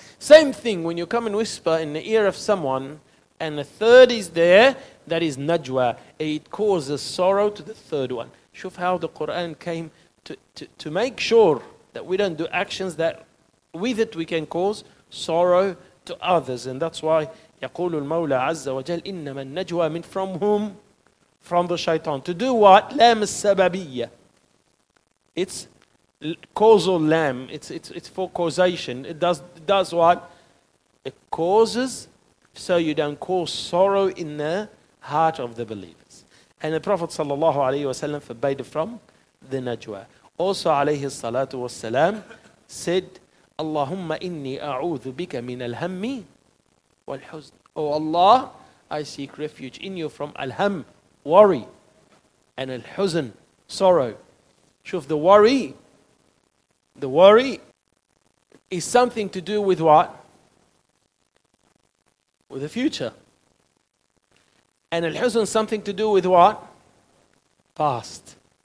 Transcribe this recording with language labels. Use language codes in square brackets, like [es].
[en] Same thing, when you come and whisper in the ear of someone and a third is there, that is najwa. It causes sorrow to the third one. Shuf how the Quran came to make sure that we don't do actions that with it we can cause sorrow to others. And that's why [ar] يقول المولى عز وجل إنما النجوى من [en] from whom? From the shaitan. To do what? [ar] لام السببية. [en] It's causal lam. It's for causation. It does what? It causes so you don't cause sorrow in the heart of the believers. And the Prophet [ar] صلى الله عليه وسلم [en] forbade from the نجوى. [ar] Also عليه الصلاة والسلام said, اللهم إني أعوذ بك من الهم والحزن. [en] Oh Allah, I seek refuge in you from الهم, worry, and الحزن, sorrow. شوف, the worry is something to do with what? With the future. And الحزن, something to do with what? Past.